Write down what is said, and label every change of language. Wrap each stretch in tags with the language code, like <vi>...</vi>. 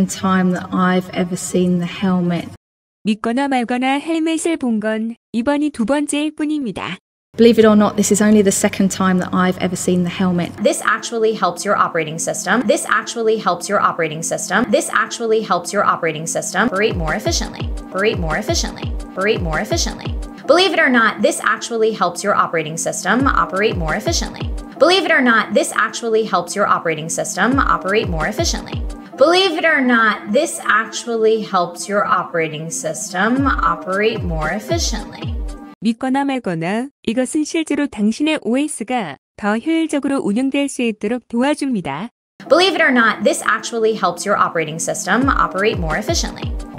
<en>Believe it or not, this is only the second time that I've ever seen the helmet.</en> <ko>믿거나 말거나 헬멧을 본 건 이번이 두 번째일 뿐입니다.</ko> <en>Believe it or not, this is only the second time that I've ever seen the helmet. This actually helps your operating system operate more efficiently. Believe it or not, this actually helps your operating system operate more efficiently. Believe it or not, this actually helps your operating system operate more efficiently. Believe it or not, this actually helps your operating system operate more efficiently.</en> <ko>믿거나 말거나 이것은 실제로 당신의 OS가 더 효율적으로 운영될 수 있도록 도와줍니다.</ko> <en>Believe it or not, this actually helps your operating system operate more efficiently.</en>